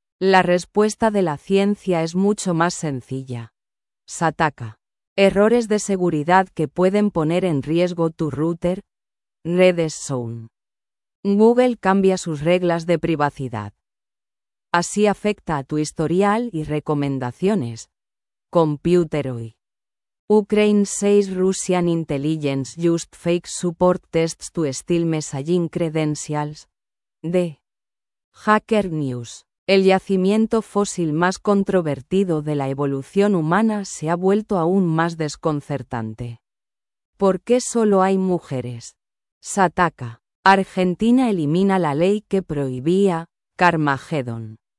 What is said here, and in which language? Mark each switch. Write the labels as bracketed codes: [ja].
[es] La respuesta de la ciencia es mucho más sencilla. Sataka. Errores de seguridad que pueden poner en riesgo tu router. RedZone. Google cambia sus reglas de privacidad. Así afecta a tu historial y recomendaciones. Computer hoy. [en] Ukraine says Russian intelligence used fake support tests to steal messaging credentials. [es] De Hacker News. El yacimiento fósil más controvertido de la evolución humana se ha vuelto aún más desconcertante. ¿Por qué solo hay mujeres? Sataka. Argentina elimina la ley que prohibía Carmageddon.